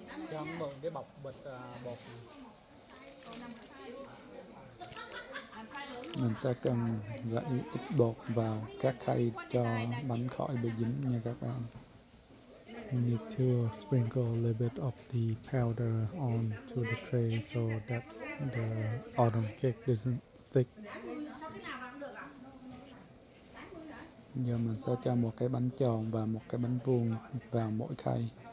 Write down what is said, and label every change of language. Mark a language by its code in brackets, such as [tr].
[vi] Cho mượn cái bọc bịch bột. Mình sẽ cần rảy ít bột vào các khay cho bánh khỏi bị dính nha các bạn. [en] We need to sprinkle a little bit of the powder onto the tray so that the autumn cake doesn't stick. [vi] Giờ mình sẽ cho một cái bánh tròn và một cái bánh vuông vào mỗi khay.